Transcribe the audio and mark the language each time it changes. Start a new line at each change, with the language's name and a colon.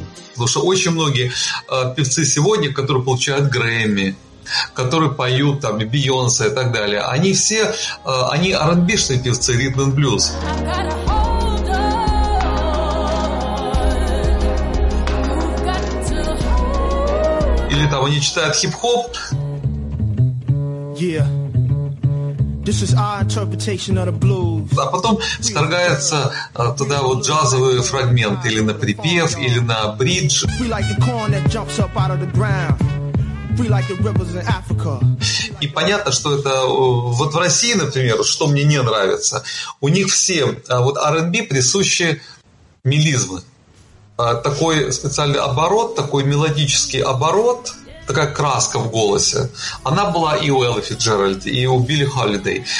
Russian: Потому что очень многие певцы сегодня, которые получают Грэмми, которые поют там Бейонсе и так далее, они все, они R&B-шные певцы, ритм и блюз. Или там они читают хип-хоп.
English: Yeah. This is our interpretation of the blues.
Russian: А потом вторгается туда вот джазовый фрагмент или на припев, или на бридж.
English: We like the corn that jumps up out of the ground. We like the rivers in Africa.
Russian: И понятно, что это вот в России, например, что мне не нравится, у них все вот R&B присущи мелизмы. Такой специальный оборот, такой мелодический оборот, такая краска в голосе, она была и у Эллы Фицджеральд, и у Билли Холлидей.